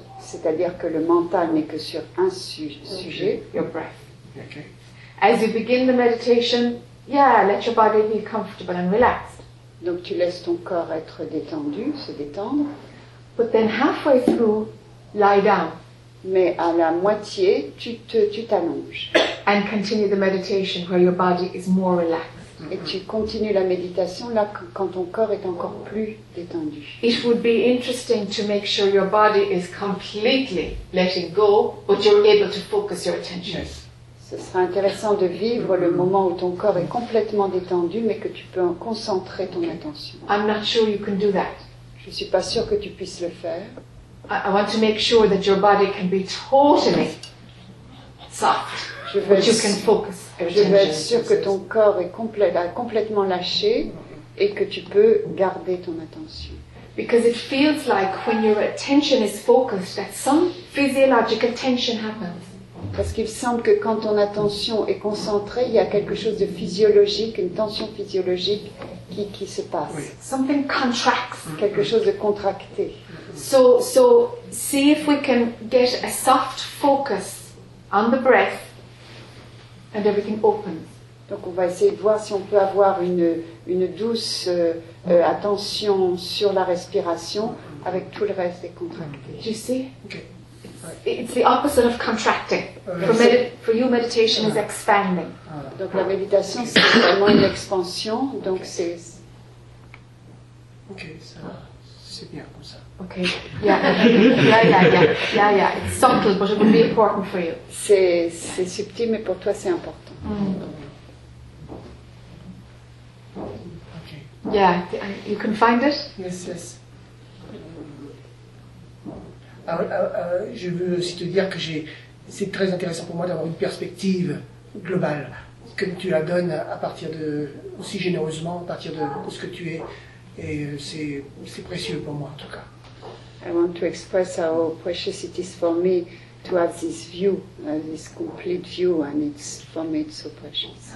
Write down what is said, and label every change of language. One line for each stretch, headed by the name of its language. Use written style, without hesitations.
French: C'est-à-dire que le mental n'est que sur un sujet.
English: Your breath. Okay. As you begin the meditation, let your body be comfortable and relaxed.
French: Donc tu laisses ton corps être détendu, se détendre.
English: But then halfway through, lie down.
French: Mais à la moitié, tu t'allonges.
English: And continue the meditation where your body is more relaxed.
French: Et tu continues la méditation là quand ton corps est encore plus détendu.
English: It would be interesting to make sure your body is completely letting go, but you're able to focus your attention. Yes.
French: Ce sera intéressant de vivre le moment où ton corps est complètement détendu, mais que tu peux en concentrer ton attention.
English: I'm not sure you can do that.
French: Je ne suis pas sûre que tu puisses le faire.
English: I want to make sure that your body can be totally soft, but you can focus.
French: Je veux être sûre que ton corps est complètement lâché et que tu peux garder ton attention.
English: Because it feels like when your attention is focused that some physiological tension happens.
French: Parce qu'il semble que quand ton attention est concentrée, il y a quelque chose de physiologique, une tension physiologique qui se passe.
English: Oui. Something contracts.
French: Quelque chose de contracté.
English: So see if we can get a soft focus on the breath and everything opens.
French: Donc on va essayer de voir si on peut avoir une douce attention sur la respiration avec tout le reste est contracté.
English: You see? It's the opposite of contracting. For you, meditation is expanding.
French: Donc la méditation c'est vraiment une expansion. Donc c'est. Okay, ça c'est bien comme ça.
English: Okay. Yeah. It's subtle, but it will be important for you.
French: C'est subtil, mais pour toi c'est important.
English: Okay. Yeah, you can find it. Yes.
French: Je veux aussi te dire que c'est très intéressant pour moi d'avoir une perspective globale que tu la donnes à partir de aussi généreusement à partir de ce que tu es et c'est précieux pour moi en tout cas.
English: I want to express how precious it is for me to have this view, this complete view, and it's for me it's so precious.